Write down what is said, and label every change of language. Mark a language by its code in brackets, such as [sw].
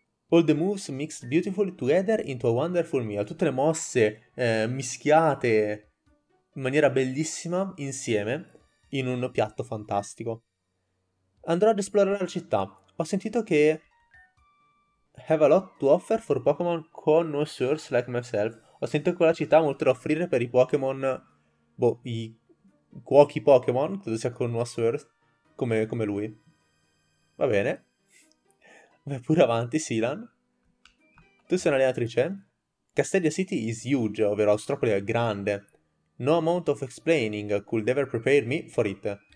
[en] All the moves mixed beautifully together into a wonderful meal. [it] Tutte le mosse mischiate in maniera bellissima insieme in un piatto fantastico. Andrò ad esplorare la città. Ho sentito che [en] have a lot to offer for Pokémon connoisseurs like myself. [it] Ho sentito che quella città ha molto da offrire per i Pokémon. Boh, i cuochi Pokémon, credo sia con Wasworth, come lui. Va bene. Vai pure avanti, Sealan. Tu sei un'allenatrice? [en] Castadia City is huge, [it] ovvero Austropoli è grande. [en] No amount of explaining could ever prepare me for it.